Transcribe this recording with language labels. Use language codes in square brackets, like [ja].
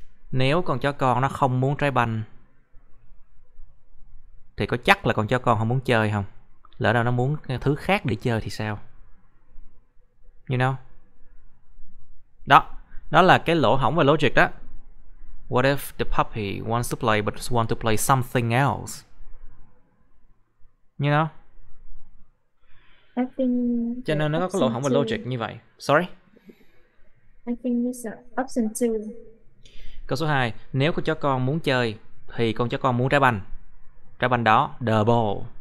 [vi] Nếu con chó con nó không muốn trái banh thì có chắc là con chó con không muốn chơi không? Lỡ đâu nó muốn thứ khác để chơi thì sao? [en] You know? [vi] Đó, đó là cái lỗ hổng về logic đó. [en] What if the puppy wants to play but just want to play something else? You know? I think [vi] cho nên nó có lỗ hổng về logic như vậy. [en] Sorry? I think this is option 2. [vi] Câu số 2. Nếu con chó con muốn chơi thì con chó con muốn trái banh. Trái banh đó, [en] the ball.